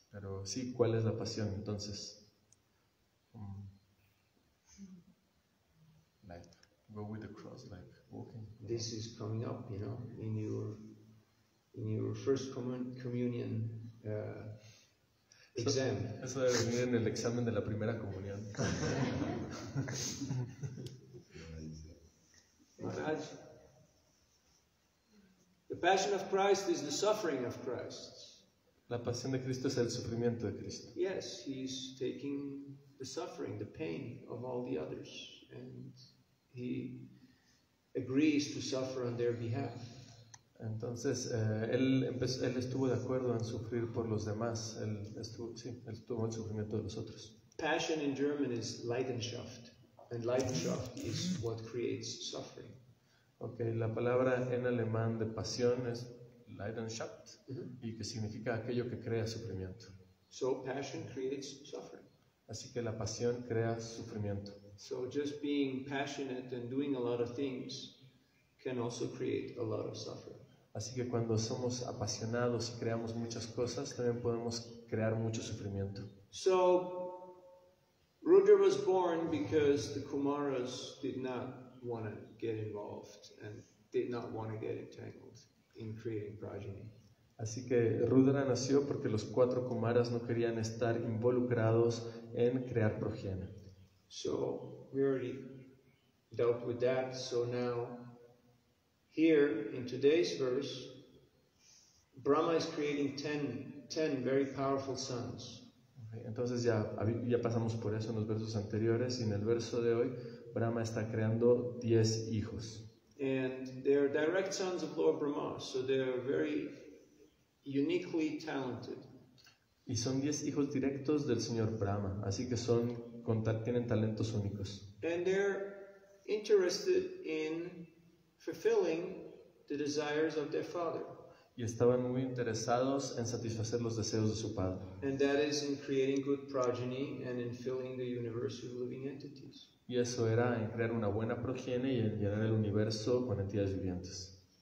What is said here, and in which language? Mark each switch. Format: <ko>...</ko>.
<es>Pero sí, ¿cuál es la pasión entonces?</es> <en>Like go with the cross, like walking. This is coming up, you know, in your first communion exam.</en> <es>Eso debe venir en el examen de la primera comunión.</es> <en>Maharaj, the passion of Christ is the suffering of Christ.</en> <es>La pasión de Cristo es el sufrimiento de Cristo.</es> <en>Yes, he is taking the suffering, the pain of all the others, and he agrees to suffer on their behalf.</en> <es>Entonces, él estuvo de acuerdo en sufrir por los demás. Él tuvo el sufrimiento de los otros.</es> <en>Passion in German is Leidenschaft, and Leidenschaft is what creates suffering.</en> <es>Okay, la palabra en alemán de pasión es Leidenschaft, y que significa aquello que crea sufrimiento.</es> <en>So passion creates suffering.</en> <es>Así que la pasión crea sufrimiento.</es> <en>So just being passionate and doing a lot of things can also create a lot of suffering.</en> <es>Así que cuando somos apasionados y creamos muchas cosas, también podemos crear mucho sufrimiento.</es> <en>So Rudra was born because the Kumaras did not want to get involved and did not want to get entangled in creating progeny.</en> <es>Así que Rudra nació porque los cuatro Kumaras no querían estar involucrados en crear progenie.</es> <en>So we already dealt with that. So now, here in today's verse, Brahma is creating ten very powerful sons.</en> <es>Okay, entonces ya pasamos por eso en los versos anteriores, y en el verso de hoy Brahma está creando 10 hijos.</es> <en>And they are direct sons of Lord Brahma, so they are very uniquely talented.</en> <es>Y son 10 hijos directos del señor Brahma, así que tienen talentos únicos.</es> <en>And they're interested in fulfilling the desires of their father.</en> <es>Y estaban muy interesados en satisfacer los deseos de su padre.</es> <en>And that is in creating good progeny and in filling the universe with living entities.</en> <es>Y eso era en crear una buena progenie y en llenar el universo con entidades vivientes.</es>